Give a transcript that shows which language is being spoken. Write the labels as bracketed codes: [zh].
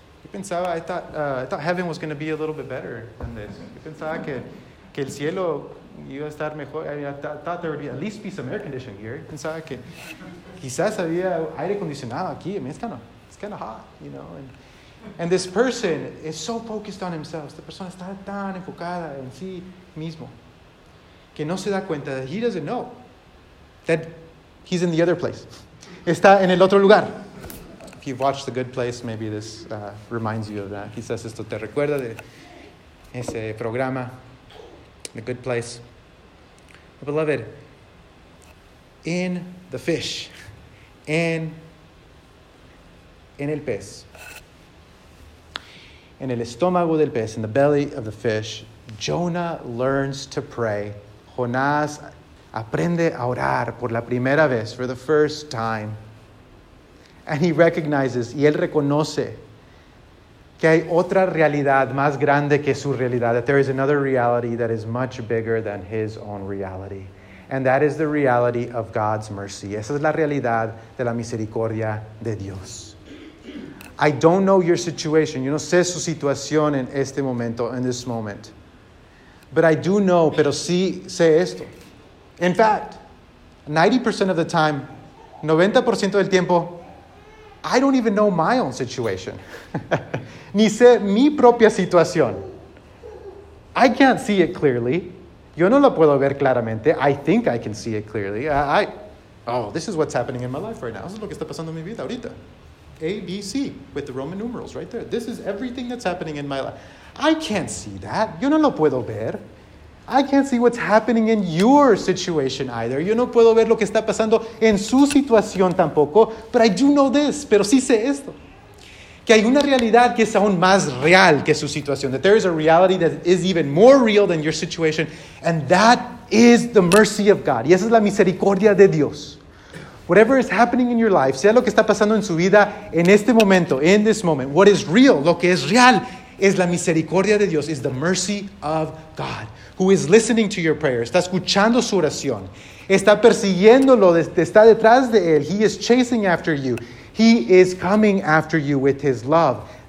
[en] I thought heaven was going to be a little bit better than this. [es] Yo pensaba que el cielo iba a estar mejor. [en] I thought there would be at least be some air conditioning here. [es] Pensaba que quizás había aire acondicionado aquí. [en] I mean, it's kind of hot, you know. And this person is so focused on himself. [es] Esta persona está tan enfocada en sí mismo. Que no se da cuenta, [en] that he doesn't know that he's in the other place. [es] Está en el otro lugar. [en] If you've watched The Good Place, maybe this reminds you of that. [es] Quizás esto te recuerda de ese programa, The Good Place. [en] But beloved, in the fish, [es] en el pez, en el estómago del pez, [en] in the belly of the fish, Jonah learns to pray. [es] Jonás aprende a orar por la primera vez, [en] for the first time. And he recognizes, [es] y él reconoce, que hay otra realidad más grande que su realidad, [en] that there is another reality that is much bigger than his own reality. And that is the reality of God's mercy. [es] Esa es la realidad de la misericordia de Dios. [en] I don't know your situation. [es] Yo no sé su situación en este momento, [en] in this moment. But I do know, [es] pero sí sé esto. [en] In fact, 90% of the time, [es] 90% del tiempo, [en] I don't even know my own situation. [es] Ni sé mi propia situación. [en] I can't see it clearly. [es] Yo no lo puedo ver claramente. [en] I think I can see it clearly. This is what's happening in my life right now. This is [es] lo que está pasando en mi vida ahorita. [en] A, B, C, with the Roman numerals right there. This is everything that's happening in my life. I can't see that. [es] Yo no lo puedo ver. [en] I can't see what's happening in your situation either. [es] Yo no puedo ver lo que está pasando en su situación tampoco. [en] But I do know this. [es] Pero sí sé esto. Que hay una realidad que es aún más real que su situación. [en] That there is a reality that is even more real than your situation. And that is the mercy of God. [es] Y esa es la misericordia de Dios. [en] Whatever is happening in your life, [es] sea lo que está pasando en su vida en este momento, [en] in this moment, what is real, [es] lo que es real, es la misericordia de Dios, [en] is the mercy of God, who is listening to your prayer, [es] está escuchando su oración, está persiguiéndolo, está detrás de él, [en] he is chasing after you, he is coming after you with his love.